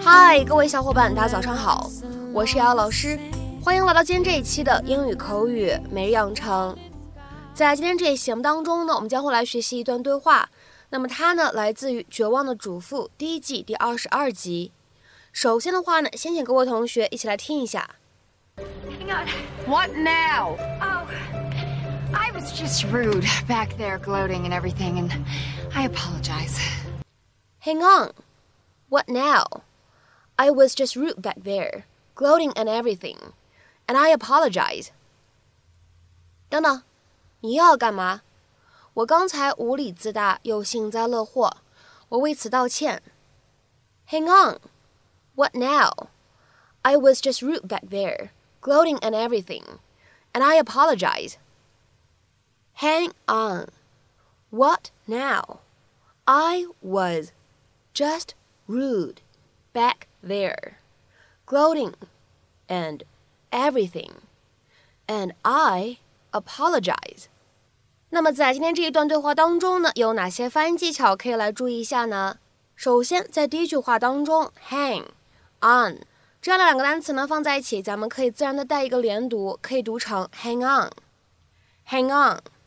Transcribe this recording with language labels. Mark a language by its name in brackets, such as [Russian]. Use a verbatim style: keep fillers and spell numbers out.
[Chinese] 嗨，各位小伙伴，大家早上好，我是姚老师，欢迎来到今天这一期的英语口语每日养成。在今天这一节目当中呢，我们将会来学习一段对话。那么它呢，来自于《绝望的主妇》第一季第二十二集。首先的话呢，先请各位同学一起来听一下。 [English] Hang on. What now? Oh, I was just rude back there, gloating and everything, and I apologize. Hang on. What now? I was just rude back there, gloating and everything, and I apologize. [Chinese] 等等，你要干嘛？我刚才无理自大又幸灾乐祸，我为此道歉。 [English] Hang on. What now? I was just rude back there, gloating and everything, and I apologize. Hang on. What now? I was just rude back there, gloating and everything, and I apologize. [Chinese] 那么在今天这一段对话当中呢，有哪些发音技巧可以来注意一下呢？首先，在第一句话当中 hang on 这样的两个单词呢放在一起，咱们可以自然的带一个连读，可以读成 [English] hang on hang on。